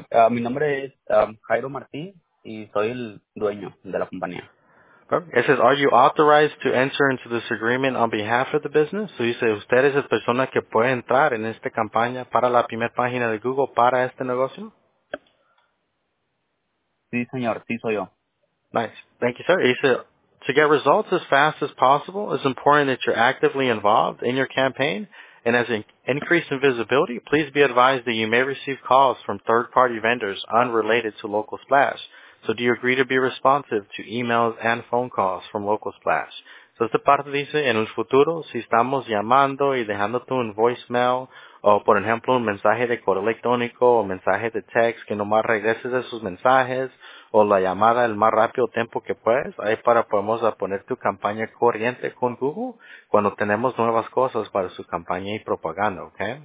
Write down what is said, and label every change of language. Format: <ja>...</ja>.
<es>Mi nombre es Jairo Martín y soy el dueño de la compañía.</es> <en>Okay. It says, are you authorized to enter into this agreement on behalf of the business?</en> <es>So dice, ¿usted es la persona que puede entrar en esta campaña para la primera página de Google para este negocio? Sí, señor. Sí, soy yo.</es> <en>Nice. Thank you, sir.</en> <es>Y dice,</es> <en>to get results as fast as possible, it's important that you're actively involved in your campaign. And as an increase in visibility, please be advised that you may receive calls from third-party vendors unrelated to Local Splash. So do you agree to be responsive to emails and phone calls from Local Splash?</en> <es>So esta parte dice, en el futuro, si estamos llamando y dejando tú un voicemail, o por ejemplo, un mensaje de correo electrónico, o mensaje de text, que nomás regreses esos mensajes, o la llamada el más rápido tiempo que puedes, ahí para podemos poner tu campaña corriente con Google cuando tenemos nuevas cosas para su campaña y propaganda, ¿ok?</es>